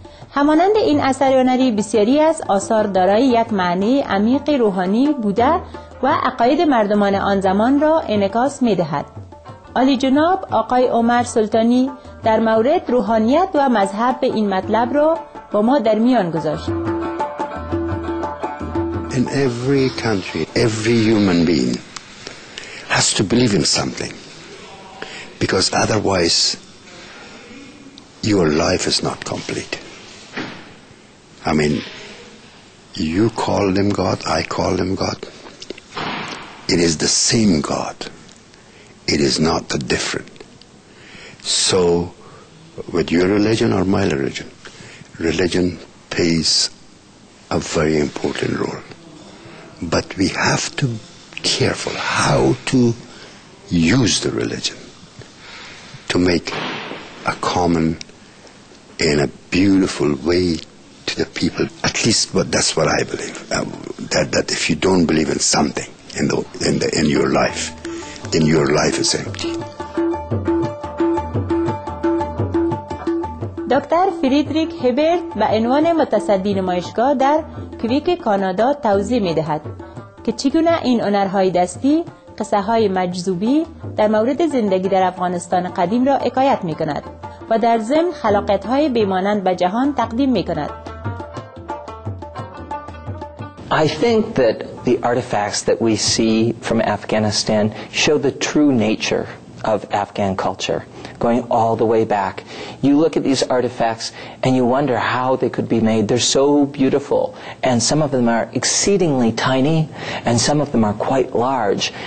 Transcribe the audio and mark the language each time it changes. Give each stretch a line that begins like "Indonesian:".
Persian: همانند این اثر هنری، بسیاری از آثار دارای یک معنی عمیق روحانی بوده و عقاید مردمان آن زمان را انعکاس می دهد. عالی جناب آقای عمر سلطانی در مورد روحانیت و مذهب به این مطلب را با ما در میان گذاشت.
English: In every country, every human being has to believe in something, because otherwise your life is not complete. I mean, you call them God, I call them God. It is the same God. It is not the different. So, with your religion or my religion, religion plays a very important role. But we have to be careful how to use the religion to make a common in a beautiful way to the people. At least that's what I believe. That if you don't believe in something in your life, then your life is empty.
Persian: دکتر فریدریک هیبرت به عنوان متصدی نمایشگاه در کویک کانادا توضیح می دهد که چگونه این هنرهای دستی قصه های مجذوبی در مورد زندگی در افغانستان قدیم را حکایت می کند و در ضمن خلاقیت های بیمانند به جهان تقدیم می کند.
English: I think that the artifacts that we see from Afghanistan show the true nature of Afghan culture, going all the way back. You look at these artifacts and you wonder how they could be made. They're so beautiful, and some of them are exceedingly tiny and some of them are quite large.